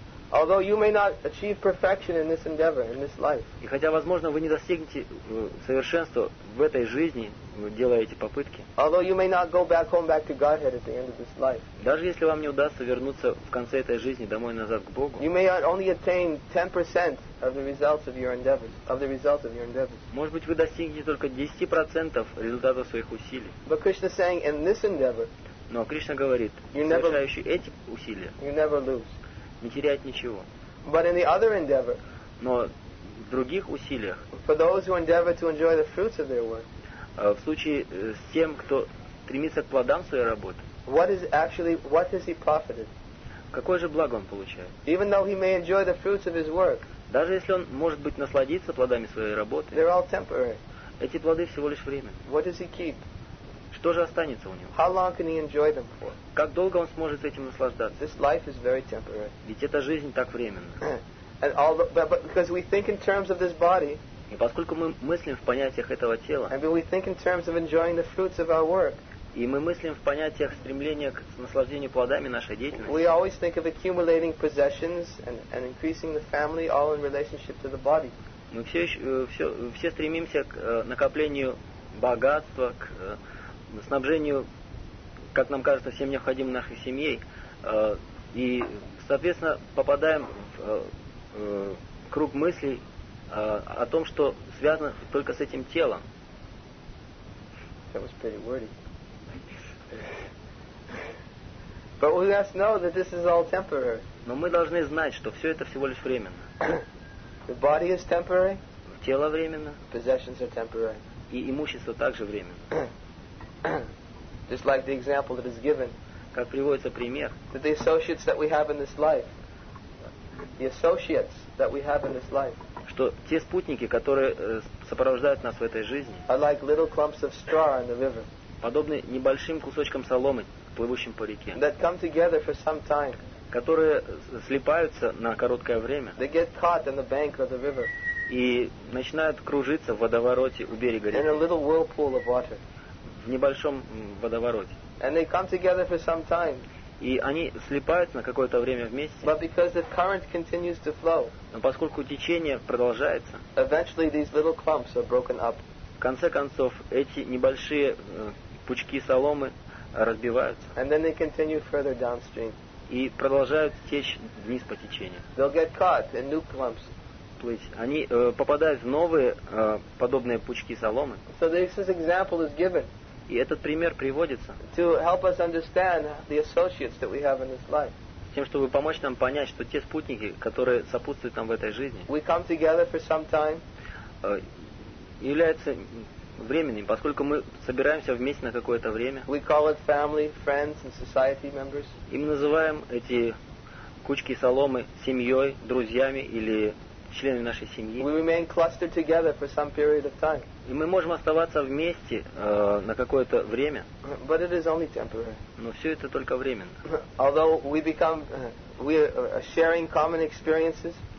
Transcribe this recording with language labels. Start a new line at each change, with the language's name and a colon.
English: Although you may not achieve perfection in this endeavor, in this life.
Russian: И хотя, возможно, вы не достигнете совершенства в этой жизни, делая эти попытки.
English: Although you may not go back home back to Godhead at the end of this life.
Russian: Даже если вам не удастся вернуться в конце этой жизни домой назад к Богу.
English: You may only attain 10% of the results of your endeavors, of the results of your endeavors.
Russian: Может быть, вы достигнете только 10% результатов своих усилий.
English: But Krishna is saying in this endeavor.
Russian: Но Кришна говорит, совершающий эти усилия.
English: You never lose.
Russian: Не терять ничего.
English: But in the other endeavor,
Russian: но в других усилиях.
English: For those who endeavor to enjoy the fruits of their work.
Russian: В случае с тем, кто стремится к плодам своей работы.
English: What is actually, what has he profited?
Russian: Какое же благо он получает?
English: Even though he may enjoy the fruits of his work.
Russian: Даже если он может быть насладиться плодами своей работы.
English: They're all temporary.
Russian: Эти плоды всего лишь временные.
English: What does he keep?
Russian: Что же останется у него?
English: How long can he enjoy them for?
Russian: Как долго он сможет этим наслаждаться?
English: This life is very temporary.
Russian: Ведь эта жизнь так временна.
English: And all the, but because we think in terms of this body.
Russian: И поскольку мы мыслим в понятиях этого тела.
English: And we think in terms of enjoying the fruits of our work.
Russian: И мы мыслим в понятиях стремления к наслаждению плодами нашей деятельности.
English: We always think of accumulating possessions and increasing the family all in relationship to the body.
Russian: Мы все стремимся к накоплению богатства, к снабжению, как нам кажется, всем необходимым нашей семьей, и, соответственно, попадаем в круг мыслей о том, что связано только с этим телом.
English: That was pretty wordy. But we must know that this is all temporary.
Russian: Но мы должны знать, что все это всего лишь временно.
English: The body is temporary.
Russian: Тело временно.
English: Possessions are temporary.
Russian: И имущество также временно.
English: Just like the example that is given.
Russian: Как приводится пример.
English: That the associates that we have in this life. The associates that we have in this life.
Russian: Что те спутники, которые сопровождают нас в этой жизни.
English: Are like little clumps of straw in the river.
Russian: Подобны небольшим кусочкам соломы, плывущим по реке.
English: That come together for some time.
Russian: Которые слипаются на короткое время.
English: They get caught in the bank of the river.
Russian: И начинают кружиться в водовороте у берега реки.
English: In a little whirlpool of water.
Russian: В небольшом водовороте.
English: And they come together for some time.
Russian: И они слипаются на какое-то время вместе.
English: But because the current continues to flow,
Russian: но поскольку течение продолжается,
English: eventually these little clumps are broken up.
Russian: В конце концов, эти небольшие пучки соломы разбиваются.
English: And then they continue further downstream.
Russian: И продолжают течь вниз по течению.
English: They'll get caught in new clumps.
Russian: Они попадают в новые подобные пучки соломы.
English: So this example is given.
Russian: И этот пример приводится.
English: To help us understand the associates that we have in this life.
Russian: Тем, чтобы помочь нам понять, что те спутники, которые сопутствуют нам в этой жизни,
English: we come together for some time,
Russian: являются временными, поскольку мы собираемся вместе на какое-то время.
English: We call it family, friends, and society members.
Russian: И мы называем эти кучки соломы семьей, друзьями или членами нашей семьи.
English: We remain clustered together for some period of time.
Russian: И мы можем оставаться вместе на какое-то время.
English: But it is only temporary.
Russian: Но все это только временно.
English: Although we become, we are sharing common experiences.